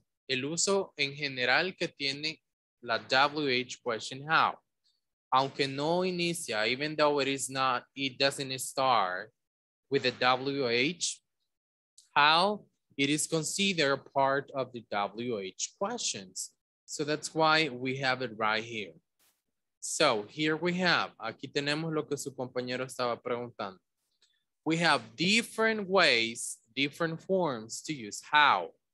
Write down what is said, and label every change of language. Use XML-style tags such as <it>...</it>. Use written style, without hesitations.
<es>El uso en general que tiene la WH question how. Aunque no inicia,</es> <en>even though it is not, it doesn't start with the WH, how, it is considered part of the WH questions. So that's why we have it right here. So here we have,</en> <es>aquí tenemos lo que su compañero estaba preguntando.</es> <en>We have different ways, different forms to use how.</en>